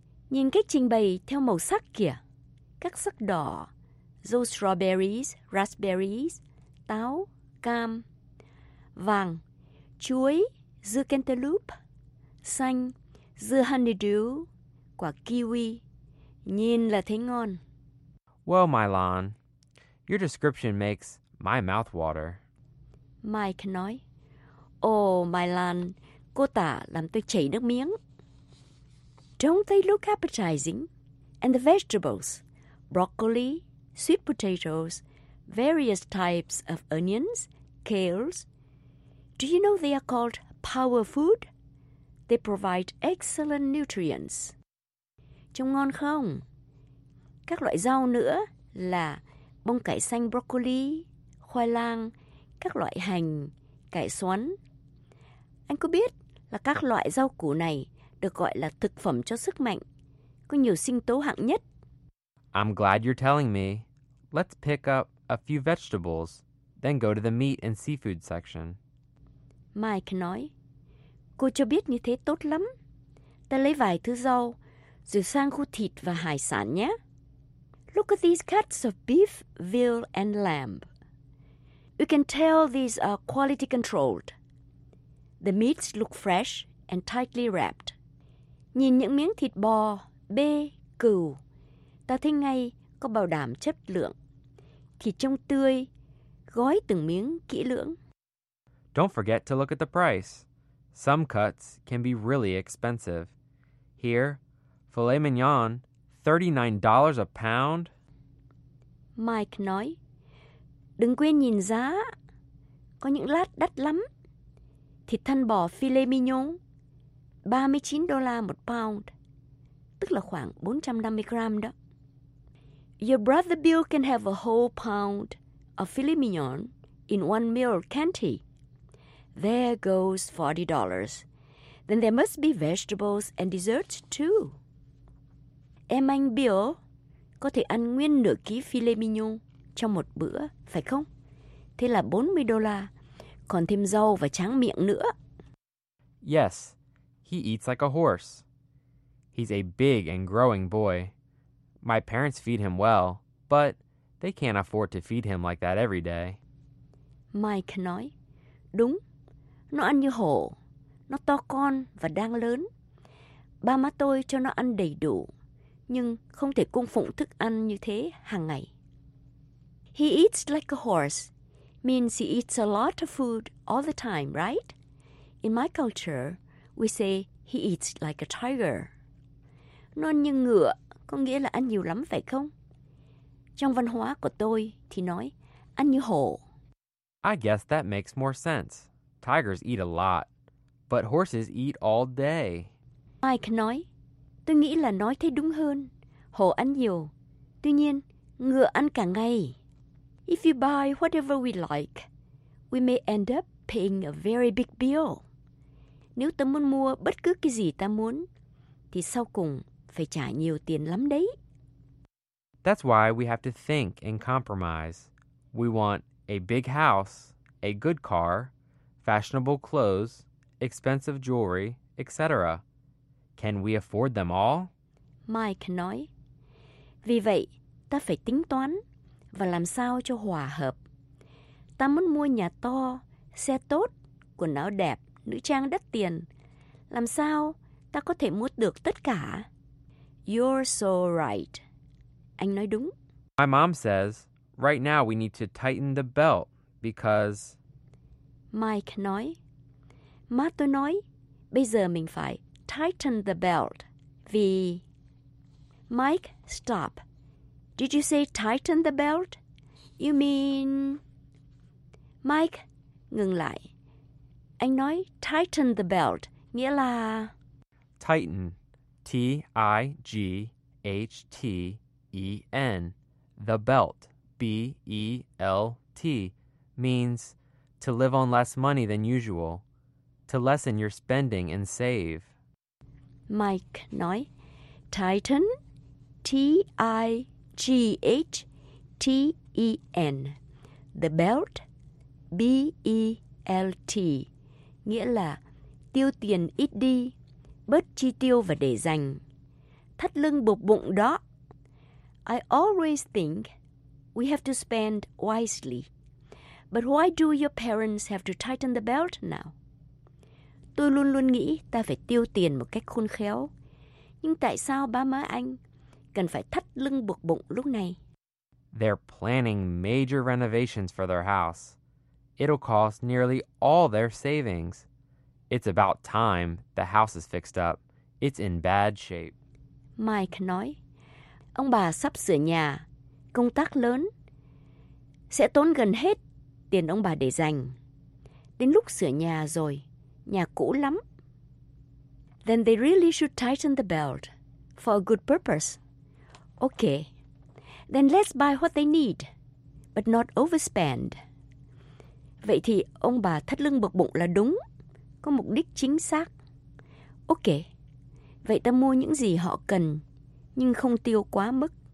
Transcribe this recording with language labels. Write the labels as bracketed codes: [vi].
[vi] Nhìn cách trình bày theo màu sắc kìa. Các sắc đỏ, dâu [en] strawberries, raspberries, [vi] táo, cam, vàng, chuối, dưa cantaloupe, xanh, dưa honeydew, quả kiwi, nhìn là thấy ngon. [en] Well, Milan, your description makes my mouth water. [vi] Mike nói, oh, Milan, cô tả làm tôi chảy nước miếng. [en] Don't they look appetizing? And the vegetables? broccoli, sweet potatoes, various types of onions, kales. Do you know they are called power food? They provide excellent nutrients. [vi] Trông ngon không? Các loại rau nữa là bông cải xanh broccoli, khoai lang, các loại hành, cải xoắn. Anh có biết là các loại rau củ này được gọi là thực phẩm cho sức mạnh, có nhiều sinh tố hạng nhất. [en] I'm glad you're telling me. Let's pick up a few vegetables, then go to the meat and seafood section. [vi] Mike nói, cô cho biết như thế tốt lắm. Ta lấy vài thứ rau, rồi sang khu thịt và hải sản nhé. [en] Look at these cuts of beef, veal and lamb. You can tell these are quality controlled. The meats look fresh and tightly wrapped. [vi] Nhìn những miếng thịt bò, bê, cừu, ta thấy ngay có bảo đảm chất lượng. Thịt trông tươi, gói từng miếng kỹ lưỡng. [en] Don't forget to look at the price. Some cuts can be really expensive. Here, filet mignon, $39 a pound. [vi] Mike nói, đừng quên nhìn giá. Có những lát đắt lắm. Thịt thân bò filet mignon, $39 một pound. Tức là khoảng 450 gram đó. [en] Your brother Bill can have a whole pound of filet mignon in one meal, can't he? There goes $40. Then there must be vegetables and desserts too. [vi] Em anh Bill có thể ăn nguyên nửa ký filet mignon trong một bữa, phải không? Thế là $40, còn thêm rau và tráng miệng nữa. [en] Yes, he eats like a horse. He's a big and growing boy. My parents feed him well, but they can't afford to feed him like that every day. [vi] Mike nói, đúng. Nó ăn như hổ, nó to con và đang lớn. Ba má tôi cho nó ăn đầy đủ, nhưng không thể cung phụng thức ăn như thế hàng ngày. [en] He eats like a horse means he eats a lot of food all the time, right? In my culture, we say he eats like a tiger. [vi] Nó ăn như ngựa, có nghĩa là ăn nhiều lắm phải không? Trong văn hóa của tôi thì nói ăn như hổ. [en] I guess that makes more sense. Tigers eat a lot, but horses eat all day. [vi] Mike nói, tôi nghĩ là nói thế đúng hơn. Hổ ăn nhiều, tuy nhiên ngựa ăn cả ngày. [en] If you buy whatever we like, we may end up paying a very big bill. [vi] Nếu ta muốn mua bất cứ cái gì ta muốn, thì sau cùng phải trả nhiều tiền lắm đấy. [en] That's why we have to think and compromise. We want a big house, a good car, fashionable clothes, expensive jewelry, etc. Can we afford them all? [vi] Mike nói, vì vậy, ta phải tính toán và làm sao cho hòa hợp. Ta muốn mua nhà to, xe tốt, quần áo đẹp, nữ trang đắt tiền. Làm sao ta có thể mua được tất cả? [en] You're so right. [vi] Anh nói đúng. [en] My mom says, right now we need to tighten the belt because... [vi] Mike nói, má tôi nói, bây giờ mình phải [en] tighten the belt [vi] vì... [en] Mike, stop. Did you say tighten the belt? You mean... Mike, [vi] ngừng lại. Anh nói [en] tighten the belt, [vi] nghĩa là... [en] Tighten. T-I-G-H-T-E-N. The belt. B-E-L-T. Means... To live on less money than usual. To lessen your spending and save. [vi] Mike nói, [en] tighten, T-I-G-H-T-E-N. The belt, B-E-L-T. [vi] Nghĩa là tiêu tiền ít đi, bớt chi tiêu và để dành. Thắt lưng buộc bụng đó. [en] I always think we have to spend wisely. But why do your parents have to tighten the belt now? [vi] Tôi luôn luôn nghĩ ta phải tiêu tiền một cách khôn khéo. Nhưng tại sao ba má anh cần phải thắt lưng buộc bụng lúc này? [en] They're planning major renovations for their house. It'll cost nearly all their savings. It's about time the house is fixed up. It's in bad shape. [vi] Mike nói, ông bà sắp sửa nhà, công tác lớn, sẽ tốn gần hết tiền ông bà để dành. Đến lúc sửa nhà rồi, nhà cũ lắm. [en] Then they really should tighten the belt for a good purpose. Okay. Then let's buy what they need, but not overspend. [vi] Vậy thì ông bà thắt lưng buộc bụng là đúng, có mục đích chính xác. Okay. Vậy ta mua những gì họ cần, nhưng không tiêu quá mức.